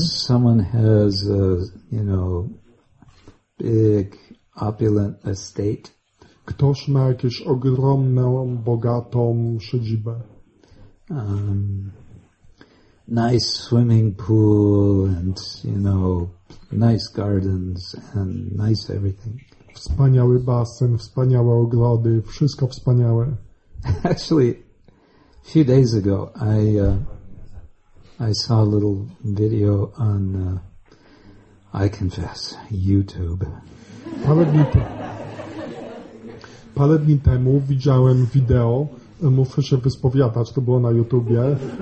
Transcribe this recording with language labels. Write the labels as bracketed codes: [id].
[en] Someone has a, you know, big opulent estate. [pl] Ktoś ma jakąś ogromną, bogatą siedzibę. [en] Nice swimming pool and, you know, nice gardens and nice everything. [pl] Wspaniały basen, wspaniałe ogrody, wszystko wspaniałe. [en] Actually, a few days ago, I saw a little video on, I confess, YouTube. [pl] Parę dni temu widziałem wideo, muszę się wyspowiadać, to było na YouTubie.